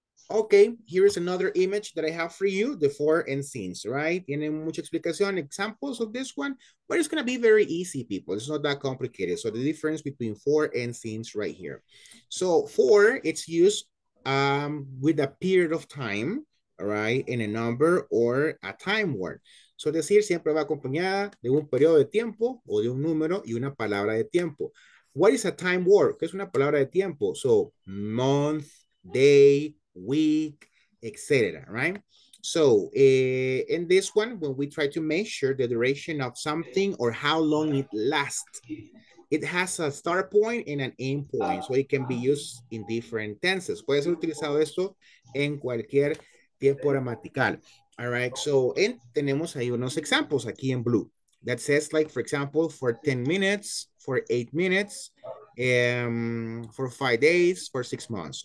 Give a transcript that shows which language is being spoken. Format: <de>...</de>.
<en>Okay, here is another image that I have for you, the for and since, right?</en> <es>Tiene mucha explicación,</es> <en>examples of this one, but it's gonna be very easy, people. It's not that complicated. So the difference between for and since right here. So for, it's used with a period of time, right? In a number or a time word.</en> <es>So decir siempre va acompañada de un periodo de tiempo o de un número y una palabra de tiempo.</es> <en>What is a time word?</en> <es>¿Qué es una palabra de tiempo?</es> <en>So month, day, week, etc. Right? So in this one, when we try to measure the duration of something or how long it lasts, it has a start point and an end point. So it can be used in different tenses.</en> <es>Puede ser utilizado esto en cualquier tiempo gramatical.</es> <en>All right, so and</en> <es>tenemos ahí unos</es> <en>examples</en> <es>aquí en</es> <en>blue that says, like, for example, for 10 minutes, for 8 minutes, for 5 days, for 6 months.</en>